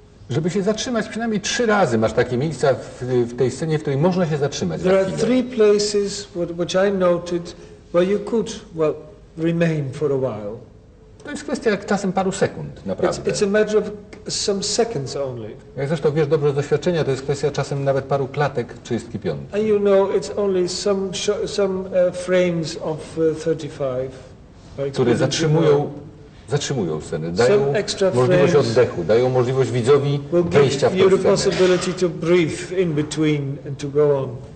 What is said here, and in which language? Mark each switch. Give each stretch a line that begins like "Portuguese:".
Polish: Żeby się zatrzymać, przynajmniej trzy razy masz takie miejsca w tej scenie, w której można się zatrzymać.
English: There are three places which I noted where you could well remain for a while.
Polish: To jest kwestia jak czasem paru sekund, naprawdę.
English: It's a matter of some seconds only.
Polish: Jak zresztą wiesz dobrze z doświadczenia, to jest kwestia czasem nawet paru klatek czystki piątki.
English: And you know it's only frames of 35.
Polish: Które zatrzymują scenę, dają możliwość oddechu, dają możliwość widzowi wejścia w tę scenę.
English: Possibility to breathe in between and to go on.